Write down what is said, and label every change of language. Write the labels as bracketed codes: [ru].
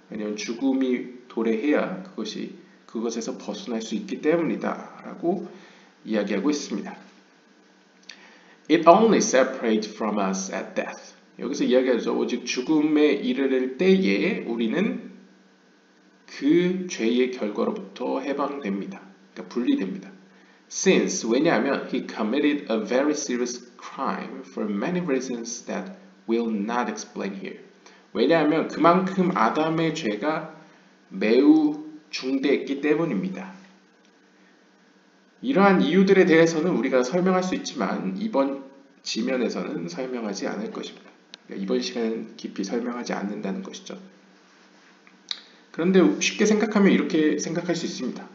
[ko] 왜냐하면 죽음이 도래해야 그것에서 벗어날 수 있기 때문이다라고 이야기하고 있습니다. [en] It only separates from us at death. [ko] 여기서 이야기하죠. 오직 죽음에 이르를 때에 우리는 그 죄의 결과로부터 해방됩니다. 그러니까 분리됩니다. [en] Since, 왜냐하면, he committed a very serious crime for many reasons that we'll not explain here. [ko] 왜냐하면, 그만큼 아담의 죄가 매우 중대했기 때문입니다. 이러한 이유들에 대해서는 우리가 설명할 수 있지만, 이번 지면에서는 설명하지 않을 것입니다. 그러니까 이번 시간에는 깊이 설명하지 않는다는 것이죠. 그런데 쉽게 생각하면 이렇게 생각할 수 있습니다.